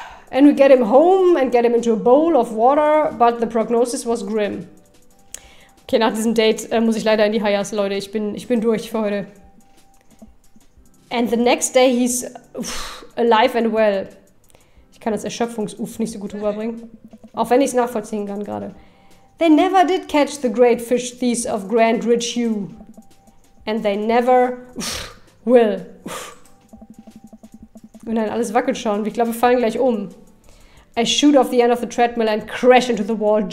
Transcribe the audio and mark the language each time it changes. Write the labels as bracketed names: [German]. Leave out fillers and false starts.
[English] And we get him home and get him into a bowl of water, but the prognosis was grim. [German] Okay, nach diesem Date muss ich leider in die Hayas, Leute. Ich bin durch für heute. [English] And the next day he's alive and well. [German] Ich kann das Erschöpfungs-Uff nicht so gut rüberbringen. Auch wenn ich es nachvollziehen kann gerade. [English] They never did catch the great fish thieves of Grand Ridge Hugh. And they never will. [German] Und dann alles wackelt schon. Ich glaube, wir fallen gleich um. [English] I shoot off the end of the treadmill and crash into the wall.